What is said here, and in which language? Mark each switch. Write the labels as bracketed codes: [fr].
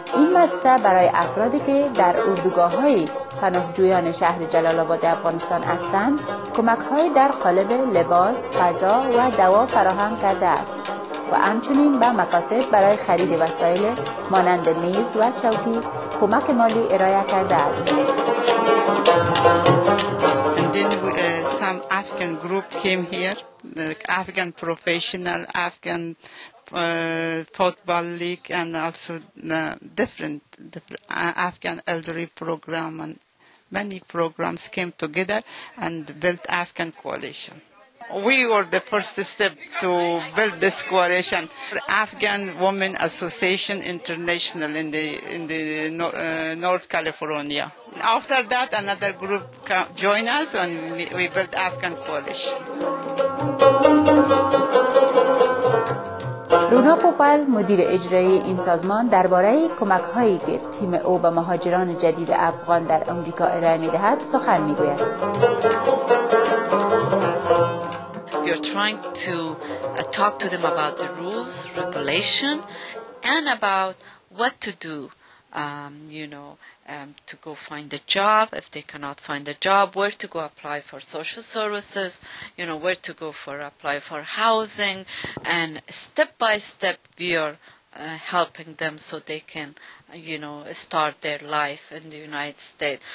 [fa] این مؤسسه برای افرادی که در اردوگاه‌های پناهجویان شهر جلال آباد افغانستان هستند، کمک‌های در قالب لباس، غذا و دوا فراهم کرده است و همچنین به مکاتب برای خرید وسایل مانند میز و چوکی کمک مالی ارائه کرده است. [en] And then some Afghan group came here, like Afghan professional, Afghan football league, and also different Afghan elderly program, and many programs came together and built Afghan coalition. We were the first step to build this coalition. The Afghan Women Association International in North California. After that, another group joined us and we built Afghan Coalition. [fa] رونا پوپل مدیر اجرایی این سازمان درباره کمک‌هایی که تیم او به مهاجران جدید افغان در آمریکا ارائه می‌دهد سخن می‌گوید. [en] You're trying to talk to them about the rules, regulation and about what to do. To go find a job, if they cannot find a job, where to go apply for social services, you know, where to go for apply for housing, and step by step we are helping them so they can, you know, start their life in the United States.